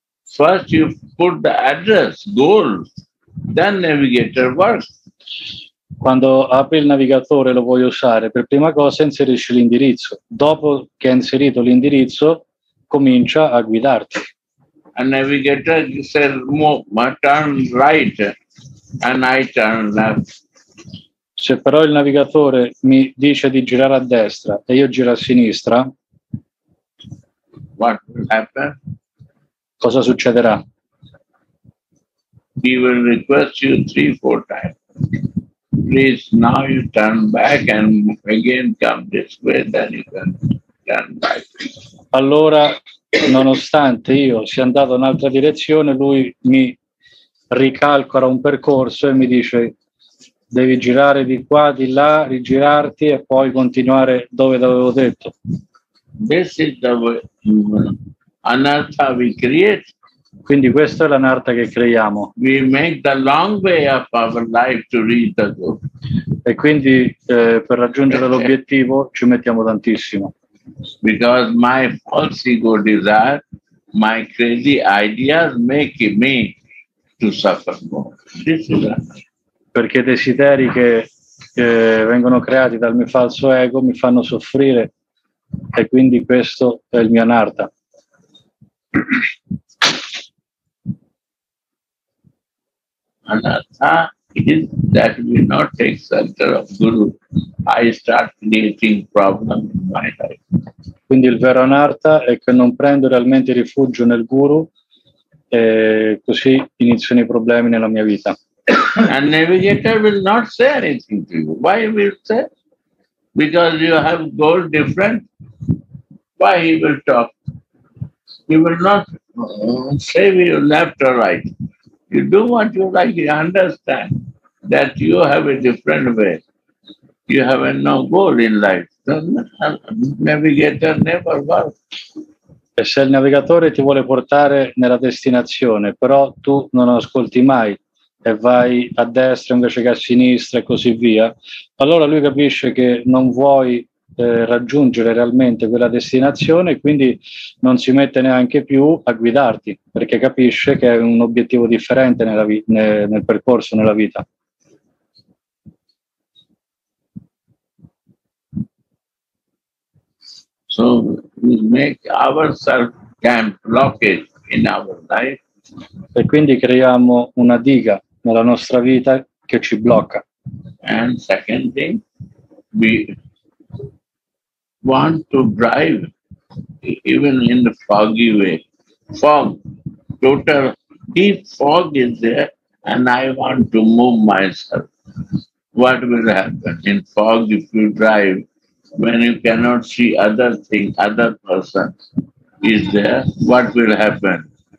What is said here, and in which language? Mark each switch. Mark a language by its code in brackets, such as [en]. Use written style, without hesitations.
[en] First you put the address, goal. Then navigator works. [it] Quando apri il navigatore lo vuoi usare, per prima cosa inserisci l'indirizzo. Dopo che hai inserito l'indirizzo, comincia a guidarti. [en] A navigator says, "Ma turn right, and I turn left." [it] Se però il navigatore mi dice di girare a destra e io giro a sinistra, [en] what will happen? [it] Cosa succederà? [en] He will request you 3-4 times. Please, now you turn back and again come this way, then you can turn back. [it] Allora, nonostante io sia andato in un'altra direzione, lui mi ricalcola un percorso e mi dice: devi girare di qua, di là, rigirarti e poi continuare dove avevo detto. [en] This is the way, anartha we create. [it] Quindi questa è l'anartha che creiamo. [en] We make the long way of our life to reach the goal. [it] E quindi per raggiungere l'obiettivo ci mettiamo tantissimo. [en] Because my false ego desire, my crazy ideas make me to suffer more. This is [it] perché i desideri che vengono creati dal mio falso ego mi fanno soffrire e quindi questo è il mio anartha. [en] Anartha is that we not take shelter of Guru. I start creating problem in my life. [it] Quindi il vero anartha è che non prendo realmente rifugio nel Guru e così iniziano i problemi nella mia vita. [en] A navigator will not say anything to you. Why he will say? Because you have goal different. Why he will talk? He will not say you left or right. You do what you like, you understand that you have a different way. You have no goal in life. The navigator never works. [it] E se il navigatore ti vuole portare nella destinazione, però tu non ascolti mai, e vai a destra invece che a sinistra e così via, allora lui capisce che non vuoi raggiungere realmente quella destinazione, quindi non si mette neanche più a guidarti, perché capisce che è un obiettivo differente nella nel percorso, nella vita. [en] So we make ourselves camp blockage in our life. [it] E quindi creiamo una diga nella nostra vita che ci blocca. [en] And second thing, we want to drive even in the foggy way. Fog, total deep fog is there, and I want to move myself. What will happen in fog if you drive? When you cannot see other thing, other person is there, what will happen?